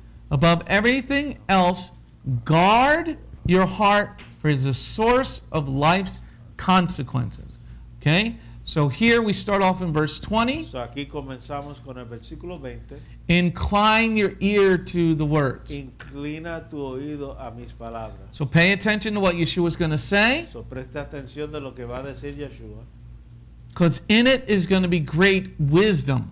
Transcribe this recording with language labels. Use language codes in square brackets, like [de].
[en] Above everything else, guard your heart, for it is a source of life's consequences. Okay? So here we start off in verse 20. [es] So aquí comenzamos con el versículo 20. [en] Incline your ear to the words. [es] Inclina tu oído a mis palabras. [en] So pay attention to what Yeshua is going to say. [es] So presta atención de lo que va a decir Yeshua. [en] Because in it is going to be great wisdom.